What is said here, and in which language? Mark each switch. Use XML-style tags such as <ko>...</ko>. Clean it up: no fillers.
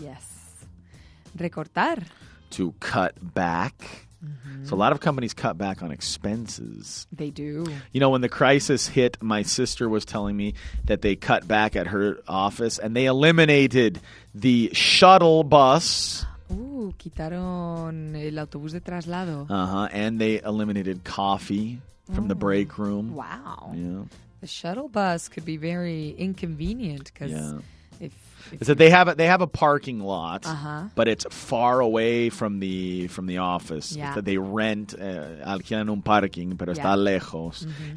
<es>Yes. Recortar.</es> <en>To cut back. Mm-hmm. So a lot of companies cut back on expenses. They do. You know, when the crisis hit, my sister was telling me that they cut back at her office and they eliminated the shuttle bus.</en> <es>Ooh, quitaron el autobús de traslado. Uh-huh.</es> <en>And they eliminated coffee from the break room. Wow. Yeah. The shuttle bus could be very inconvenient because They have a parking lot, but it's far away from the office. Yeah. That they rent,</en> <es>alquilan un parking, pero está lejos. Mm-hmm.</es>